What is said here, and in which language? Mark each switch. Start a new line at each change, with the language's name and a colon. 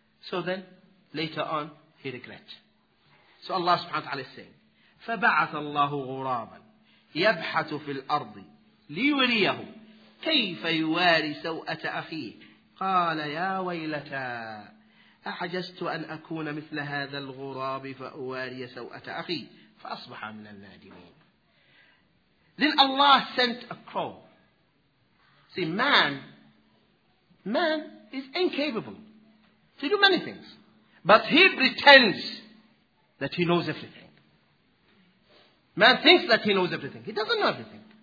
English: So then, later on, he regret. So Allah subhanahu wa ta'ala is saying,
Arabic: فَبَعَثَ اللَّهُ غُرَابًا يَبْحَثُ فِي الْأَرْضِ لِيُرِيَهُ كَيْفَ يُوَارِي سَوْءَةَ أَخِيهِ قال يا ويلتا أعجزت أن أكون مثل هذا الغراب فأواري سوءة أخي فأصبح من النادمين.
English: Then Allah sent a crow. See, man is incapable to do many things. But he pretends that he knows everything. Man thinks that he knows everything. He doesn't know everything.